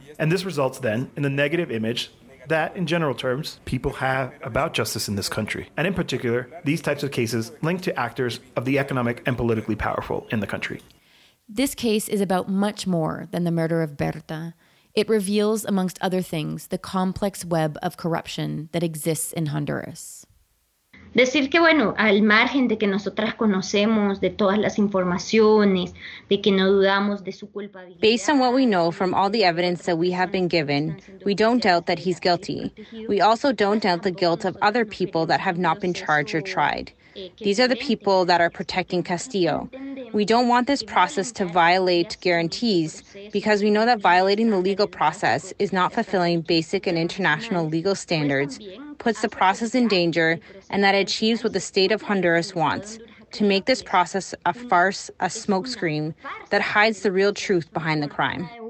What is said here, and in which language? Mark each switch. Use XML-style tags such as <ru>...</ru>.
<en>And this results then in the negative image that, in general terms, people have about justice in this country, and in particular, these types of cases linked to actors of the economic and politically powerful in the country. This case is about much more than the murder of Berta. It reveals, amongst other things, the complex web of corruption that exists in Honduras.</en> <es>Decir que, bueno, al margen de que nosotras conocemos de todas las informaciones, de que no dudamos de su culpabilidad.</es> <en>Based on what we know from all the evidence that we have been given, we don't doubt that he's guilty. We also don't doubt the guilt of other people that have not been charged or tried. These are the people that are protecting Castillo. We don't want this process to violate guarantees because we know that violating the legal process is not fulfilling basic and international legal standards, puts the process in danger, and that it achieves what the state of Honduras wants, to make this process a farce, a smokescreen that hides the real truth behind the crime.</en>